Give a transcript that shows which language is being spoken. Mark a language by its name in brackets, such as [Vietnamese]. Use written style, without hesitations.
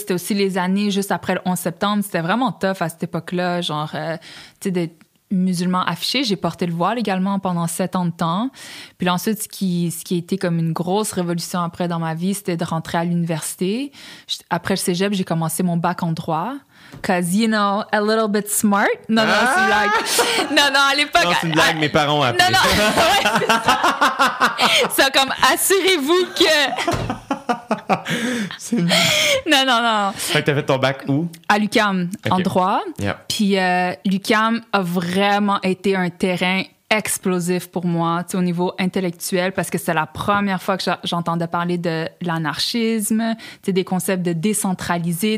[French] C'était aussi les années juste après le 11 septembre. C'était vraiment tough à cette époque-là. Genre, tu sais, d'être musulman affiché. J'ai porté le voile également pendant 7 ans de temps. Puis là, ensuite, ce qui a été comme une grosse révolution après dans ma vie, c'était de rentrer à l'université. Après le cégep, j'ai commencé mon bac en droit. [English] Cause, you know, a little bit smart. [French] Non, non, c'est une blague. Non, à l'époque... Non, c'est une blague, mes parents ont appelé. Non, ouais, c'est ça. C'est comme, assurez-vous que... C'est une... Non. Fait que t'as fait ton bac où? À l'UQAM, okay. En droit. [English] Yep. [French] Puis l'UQAM a vraiment été un terrain explosif pour moi, tu sais, au niveau intellectuel, parce que c'est la première fois que j'entendais parler de l'anarchisme, tu sais, des concepts de décentralisé.